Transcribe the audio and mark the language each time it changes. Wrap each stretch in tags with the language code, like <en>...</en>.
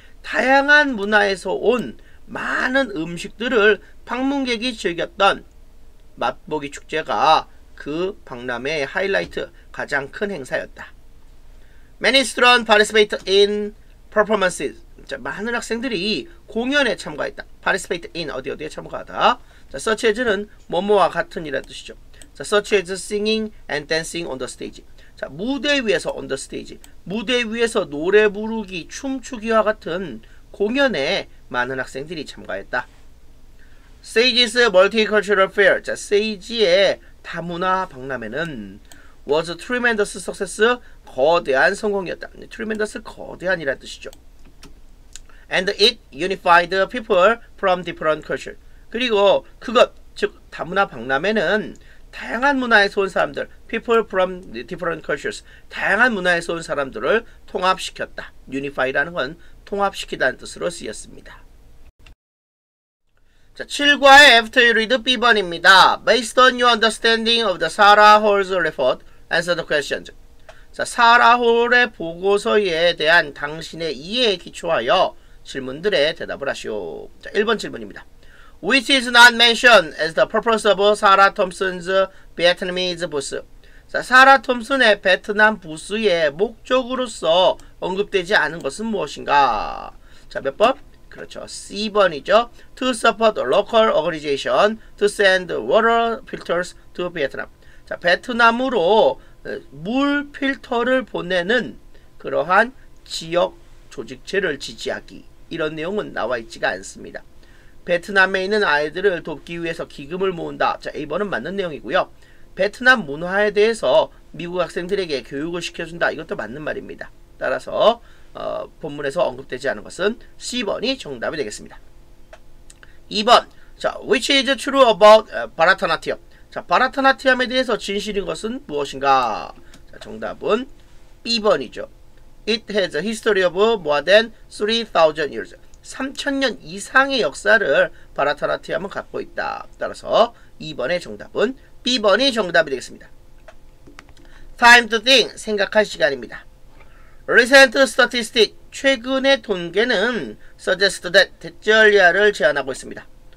<ko>다양한 문화에서 온 많은 음식들을 방문객이 즐겼던 맛보기 축제가 그 박람회의 하이라이트 가장 큰 행사였다.</ko> <en>Many students participate in performances.</en> <ko>자, 많은 학생들이 공연에 참가했다.</ko> <en>participate in</en> <ko>어디 어디에 참가하다. 자,</ko> <en>such as</en> <ko>는 뭐뭐와 같은이라는 뜻이죠. 자, such as singing and dancing on the stage. 자, 무대 위에서</ko> <en>on the stage.</en> <ko>무대 위에서 노래 부르기, 춤추기와 같은 공연에 많은 학생들이 참가했다.</ko> <en>Sage's Multicultural Fair.</en> <ko>자, Sage의 다문화 박람회는</ko> <en>was a tremendous success.</en> <ko>거대한 성공이었다. Tremendous, 거대한이라는 뜻이죠.</ko> <en>And it unified people from different cultures.</en> <ko>그리고 그것, 즉 다문화 박람회는 다양한 문화에서 온 사람들,</ko> <en>people from different cultures,</en> <ko>다양한 문화에서 온 사람들을 통합시켰다. Unify라는 건 통합시키다는 뜻으로 쓰였습니다. 자, 7과의 After You Read B번입니다.</ko> <en>Based on your understanding of the Sarah Hall's report, answer the questions.</en> <ko>자, 사라 홀의 보고서에 대한 당신의 이해에 기초하여 질문들에 대답을 하시오. 자, 1번 질문입니다.</ko> <en>Which is not mentioned as the purpose of Sarah Thompson's Vietnamese booth?</en> <ko>자, 사라 톰슨의 베트남 부스의 목적으로서 언급되지 않은 것은 무엇인가? 자, 몇 번? 그렇죠. C번이죠.</ko> <en>To support local organization to send water filters to Vietnam.</en> <ko>자, 베트남으로 물 필터를 보내는 그러한 지역 조직체를 지지하기 이런 내용은 나와 있지가 않습니다. 베트남에 있는 아이들을 돕기 위해서 기금을 모은다. 자, A번은 맞는 내용이고요. 베트남 문화에 대해서 미국 학생들에게 교육을 시켜준다. 이것도 맞는 말입니다. 따라서 본문에서 언급되지 않은 것은 C번이 정답이 되겠습니다. 2번. 자,</ko> <en>which is true about Bharatanatyam?</en> <ko>자, 바라타나티엄에 대해서 진실인 것은 무엇인가? 자, 정답은 B번이죠.</ko> <en>It has a history of more than 3,000 years.</en> <ko>3,000년 이상의 역사를 바라타나티엄은 갖고 있다. 따라서 2번의 정답은 B번이 정답이 되겠습니다.</ko> <en>Time to think,</en> <ko>생각할 시간입니다.</ko> <en>Recent statistics,</en> <ko>최근의 통계는</ko> <en>suggest that</en> <ko>대절리아를 제안하고 있습니다.</ko>